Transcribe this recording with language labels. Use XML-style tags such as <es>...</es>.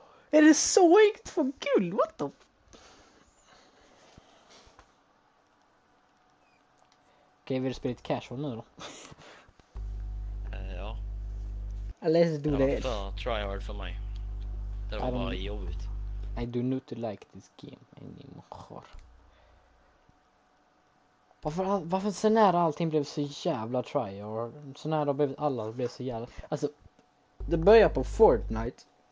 <sv>Är det så ägt för guld?</sv> <en>What the?</en> <sv>Okej, vill du spela lite casual nu då? Ja.</sv> <en>Let's do that.</en> <sv>Det var för tryhard för mig. Det var bara jobbigt.</sv> <en>I do not like this game anymore.</en> <sv>Varför så nära allting blev så jävla tryhard? Så nära alla blev så jävla... Alltså, det började på Fortnite.</sv>